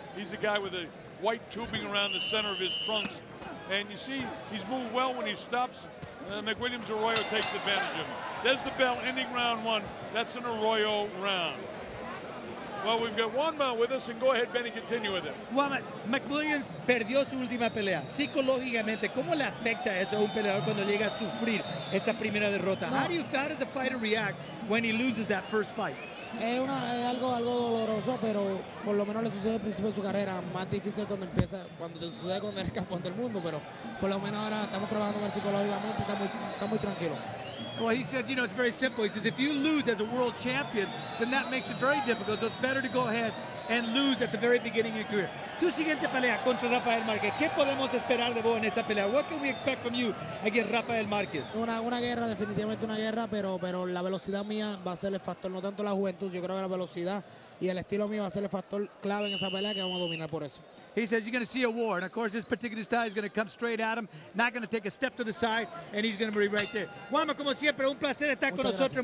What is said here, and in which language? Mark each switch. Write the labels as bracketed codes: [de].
[en] He's a guy with a white tubing around the center of his trunks. And you see, he's moved well when he stops. McWilliams Arroyo takes advantage of him. There's the bell ending round one. That's an Arroyo round. Well, we've got Juan Mount with us, and go ahead, Benny, continue with it. [es] Juan, McWilliams perdió su última pelea. Psicológicamente, ¿cómo le afecta eso a un peleador cuando llega a sufrir esa primera derrota? [en] How does a fighter react when he loses that first fight? [es] Es algo doloroso, pero por lo menos le sucede al principio de su carrera. Más difícil cuando empieza, cuando te sucede cuando eres campeón del mundo, pero por lo menos ahora estamos trabajando psicológicamente, está muy tranquilo. [en] Well, he said, you know, it's very simple. He says, if you lose as a world champion, then that makes it very difficult. So it's better to go ahead and lose at the very beginning of your career. [es] Tu siguiente pelea contra Rafael Márquez. ¿Qué podemos esperar de vos en esa pelea? [en] What can we expect from you against Rafael Márquez? [es] Una guerra, definitivamente una guerra, pero la velocidad mía va a ser el factor, no tanto la juventud. Yo creo que la velocidad y el estilo mío va a ser el factor clave en esa pelea que vamos a dominar por eso. [en] He says you're going to see a war. And, of course, this particular style is going to come straight at him, not going to take a step to the side, and he's going to be right there. [es] Juanma, como siempre, un placer estar con nosotros.